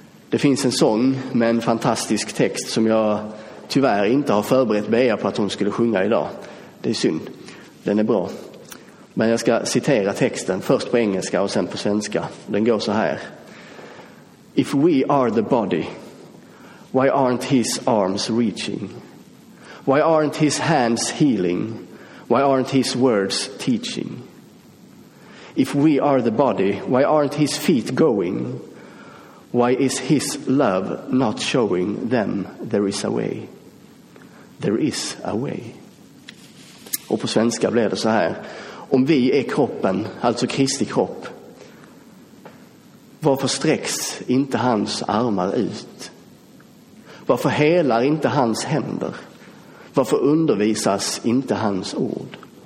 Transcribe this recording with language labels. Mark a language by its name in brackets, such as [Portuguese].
[Swedish] Det finns en sång med en fantastisk text som jag tyvärr inte har förberett Bea på att hon skulle sjunga idag. Det är synd. Den är bra. Men jag ska citera texten först på engelska och sen på svenska. Den går så här. [English] If we are the body, why aren't his arms reaching? Why aren't his hands healing? Why aren't his words teaching? If we are the body, why aren't his feet going? Why is his love not showing them there is a way? There is a way. [Swedish] Och på svenska blir det så här. Om vi är kroppen, alltså Kristi kropp, varför sträcks inte hans armar ut? Varför helar inte hans händer? Varför undervisas inte hans ord?